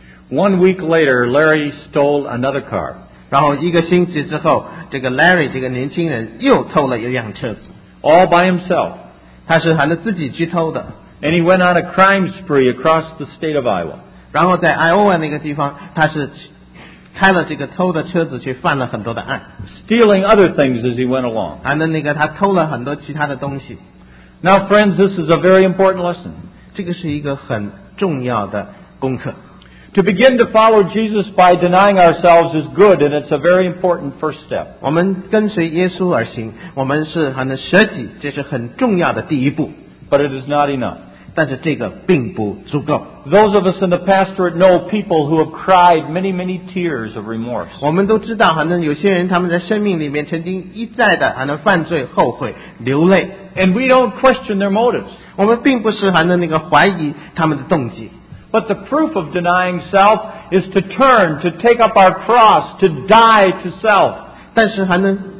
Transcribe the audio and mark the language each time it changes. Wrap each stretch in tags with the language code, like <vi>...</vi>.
<en>One week later, Larry stole another car.</en> <zh>然后一个星期之后,这个Larry这个年轻人又偷了一辆车子。</zh> <en>All by himself.</en> <zh>他是还能自己去偷的。</zh> <en>And he went on a crime spree across the state of Iowa.</en> <zh>然后在Iowa那个地方,他是开了这个偷的车子去犯了很多的案。</zh> <en>Stealing other things as he went along.</en> <zh>还能那个他偷了很多其他的东西。</zh> <en>Now, friends, this is a very important lesson.</en> <zh>这个是一个很重要的功课。</zh> <en>To begin to follow Jesus by denying ourselves is good, and it's a very important first step.</en> <zh>我们跟随耶稣而行, 我们是很舍己, 这是很重要的第一步。</zh> <en>But it is not enough.</en> <zh>但是这个并不足够。</zh> <en>Those of us in the pastorate know people who have cried many, many tears of remorse.</en> <zh>我们都知道,有些人他们在生命里面曾经一再的犯罪后悔,流泪。</zh> <en>And we don't question their motives.</en> <zh>我们并不是怀疑他们的动机。</zh> <en>But the proof of denying self is to turn, to take up our cross, to die to self.</en>